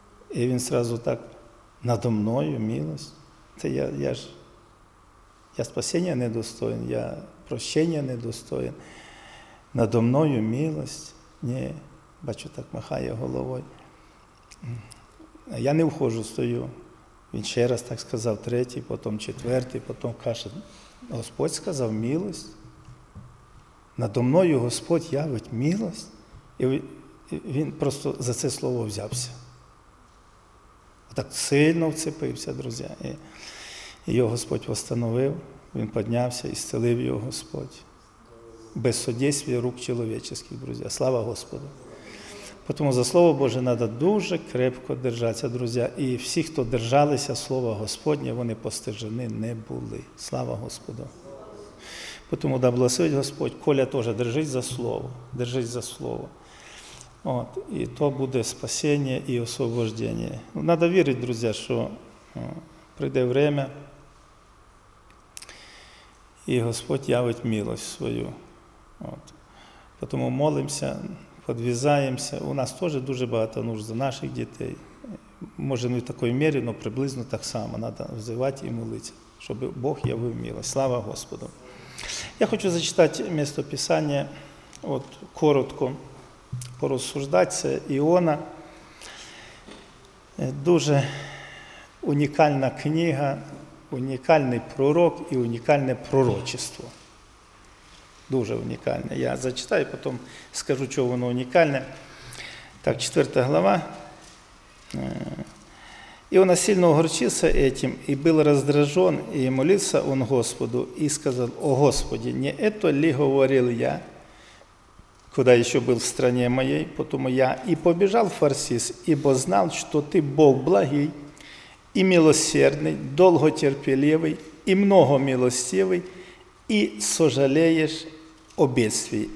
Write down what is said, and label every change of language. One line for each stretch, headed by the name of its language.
Ukrainian: І він сразу так:
Russian: надо мною милость?
Ukrainian: Це я спасіння не достоїн, я прощення не достоїн.
Russian: Надо мною милость?
Ukrainian: Ні, бачу, так махає головою. Я не вхожу, стою. Він ще раз так сказав, третій, потім четвертий, потім каже: Господь сказав милость.
Russian: Надо мною Господь явить милость.
Ukrainian: І він просто за це слово взявся. Отак сильно вцепився, друзі. І його Господь восстановив, він піднявся і зцілив його Господь. Без судейства рук чоловічих, друзі. Слава Господу. Тому за Слово Боже треба дуже крепко держатися, друзі. І всі, хто держалися Слова Господнє, вони постежені не були. Слава Господу. Тому да благословить Господь. Коля теж держись за Слово. Держись за Слово. От. І то буде спасіння і освобождення. Треба вірити, друзі, що прийде время, і Господь явить милость свою. От. Тому молимося. Підв'язаємося. У нас теж дуже багато нужд за наших дітей. Може, не в такій мірі, але приблизно так само. Треба взивати і молитися, щоб Бог явив милість. Слава Господу! Я хочу зачитати місце Писання, от коротко порозсуждати. Це Іона. Дуже унікальна книга, унікальний пророк і унікальне пророчество. Дуже унікальне. Я зачитаю, потім скажу, чого воно унікальне. Так, 4 глава. «І вона сильно огорчився
Russian: этим, і був роздражен, і молився он Господу, і сказав: о Господи, не это ли говорил я, куда еще был в стране моей, потому я и побежал в Фарсис, ибо знал, что ты Бог благий и милосердный, долготерпеливый и многомилостивый, и сожалеешь о бедствии.